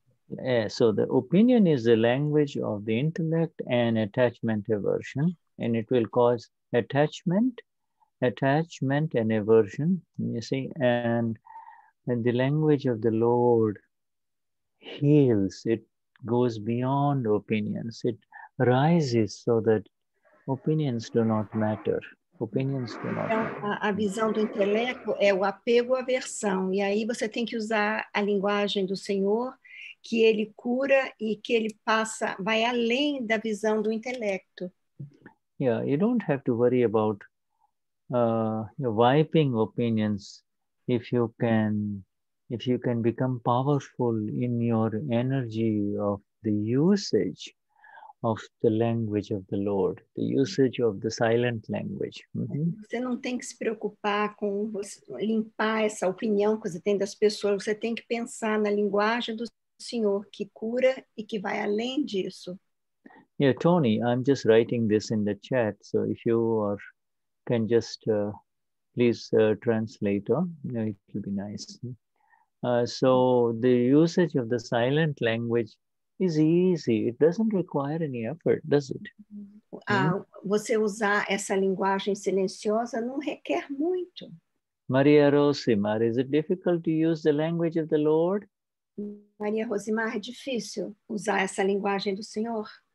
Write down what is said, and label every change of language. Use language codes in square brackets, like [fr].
[en] Yeah, so the opinion is the language of the intellect and attachment aversion, and it will cause attachment and aversion, you see, and the language of the Lord heals, it goes beyond opinions, it rises so that opinions do not matter. Opinions do not matter. [pt] A visão do intelecto é o apego à aversão, e aí você tem que usar a linguagem do Senhor, que ele cura e que ele passa, vai além da visão do intelecto. [en] Yeah, you don't have to worry about wiping opinions if you can become powerful in your energy of the usage of the language of the Lord, the usage of the silent language. Mm-hmm. [pt] Você não tem que se preocupar com você limpar essa opinião que você tem das pessoas. Você tem que pensar na linguagem do Senhor que cura e que vai além disso. [en] Yeah, Tony, I'm just writing this in the chat, so if you can just please translate, it will be nice. So the usage of the silent language is easy. It doesn't require any effort, does it? [pt] Você usar essa linguagem silenciosa não requer muito. [en] Maria Rosimar, is it difficult to use the language of the Lord? [pt] Maria Rosimar, é difícil usar essa linguagem do Senhor?